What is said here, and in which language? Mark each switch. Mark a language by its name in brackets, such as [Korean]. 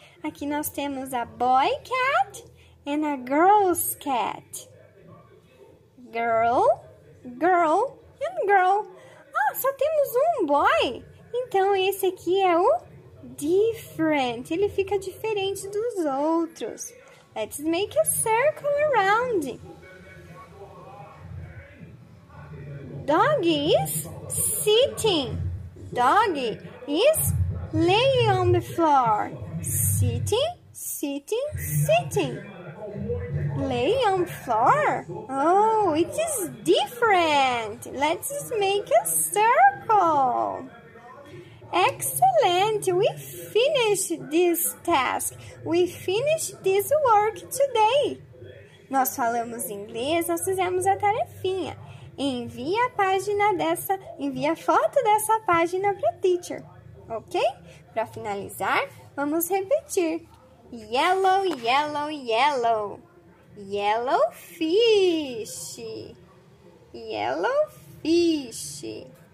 [Portuguese] Aqui nós temos [English] a boy cat and a girl's cat. Girl, girl, and girl. [Portuguese] Ah, só temos um [English] boy. [Portuguese] Então, esse aqui é o different. Ele fica diferente dos outros. [English] Let's make a circle around. Dog is sitting. Doggy is laying on the floor. Sitting, sitting, sitting. Laying on floor? Oh, it is different. Let's make a circle. Excellent. We finished this task. We finished this work today. [Portuguese] Nós falamos inglês, nós fizemos a tarefinha. Envia a página dessa, envia a foto dessa página para a teacher, ok? Para finalizar, vamos repetir. [English] Yellow, yellow, yellow. Yellow fish. Yellow fish.